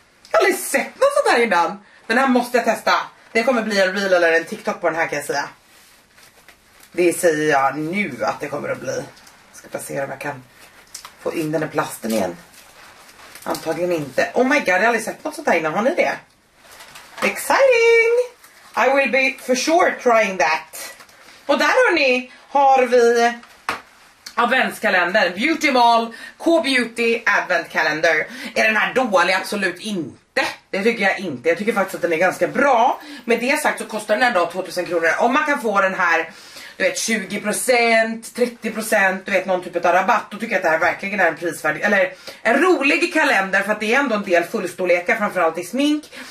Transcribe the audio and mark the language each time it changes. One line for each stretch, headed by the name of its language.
Swedish: Jag har aldrig sett något sånt här innan. Den här måste jag testa. Det kommer bli en reel eller en TikTok på den här kan jag säga. Det säger jag nu att det kommer att bli. Jag ska bara se om jag kan få in den i plasten igen. Antagligen inte.
English: Oh my god,
Swedish: jag har aldrig sett något sånt här innan. Har ni det?
English: Exciting! I will be for sure trying that.
Swedish: Och där hörni, har vi adventskalender. Beauty Mall K-Beauty Advent Calendar. Är den här dålig? Absolut inte. Det tycker jag inte. Jag tycker faktiskt att den är ganska bra. Med det sagt så kostar den här då 2000 kronor. Om man kan få den här, du vet, 20%, 30%, du vet, någon typ av rabatt, då tycker jag att det här verkligen är en prisvärdig, eller en rolig kalender, för att det är ändå en del fullstorlekar, framförallt i smink.